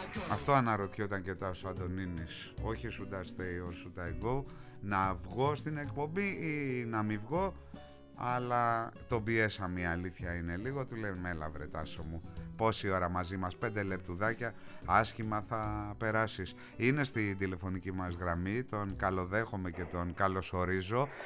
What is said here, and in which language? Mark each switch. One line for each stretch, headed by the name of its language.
Greek: Αυτό αναρωτιόταν και ο Τάσος Αντωνίνης. Όχι
English: should I stay or should I go.
Greek: Να βγω στην εκπομπή ή να μην βγω. Αλλά τον πιέσαμε, η αλήθεια είναι λίγο. Του λέμε έλα βρε Τάσο μου, πόση ώρα μαζί μας, 5 λεπτουδάκια, άσχημα θα περάσεις. Είναι στη τηλεφωνική μας γραμμή, τον καλοδέχομαι και τον καλωσορίζω.